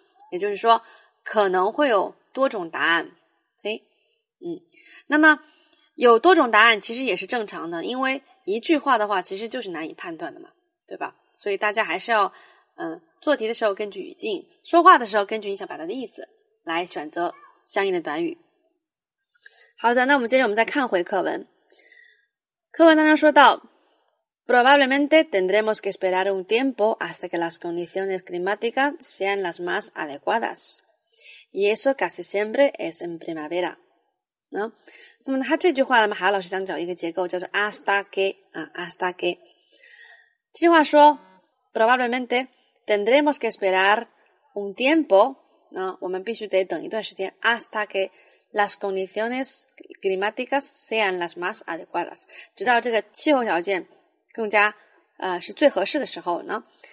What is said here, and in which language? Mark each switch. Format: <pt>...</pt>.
<zh>也就是说可能会有多种答案。那么有多种答案其实也是正常的，因为一句话的话其实就是难以判断的嘛，对吧？所以大家还是要做题的时候根据语境，说话的时候根据你想表达的意思来选择相应的短语。好的，那我们接着我们再看回课文。课文当中说到</zh> <es>probablemente tendremos que esperar un tiempo hasta que las condiciones climáticas sean las más adecuadas y eso casi siempre es en primavera。</es> <zh>那么他这句话呢，海老师想找一个结构叫做 hasta que， hasta que。这句话说</zh> <es>probablemente tendremos que esperar un tiempo，</es> <zh>我们必须得等一段时间，</zh> <es>hasta que las condiciones climáticas sean las más adecuadas，</es> <zh>直到这个气候条件更加是最合适的时候呢。</zh>